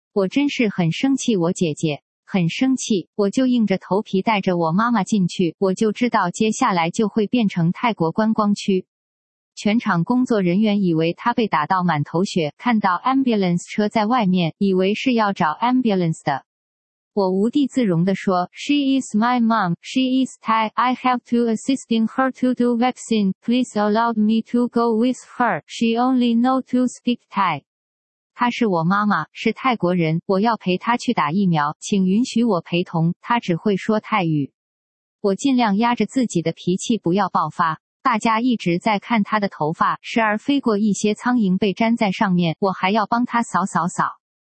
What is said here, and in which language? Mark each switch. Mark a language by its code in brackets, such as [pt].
[zh] 我真是很生气，我姐姐很生气，我就硬着头皮带着我妈妈进去，我就知道接下来就会变成泰国观光区。全场工作人员以为他被打到满头血，看到 ambulance 车在外面，以为是要找 ambulance 的。 [en] 我无地自容地说， She is my mom, she is Thai, I have to assisting her to do vaccine, please allow me to go with her, she only know to speak Thai. [zh] 她是我妈妈，是泰国人，我要陪她去打疫苗，请允许我陪同，她只会说泰语。我尽量压着自己的脾气不要爆发。大家一直在看他的头发，时而飞过一些苍蝇被粘在上面，我还要帮他扫扫扫。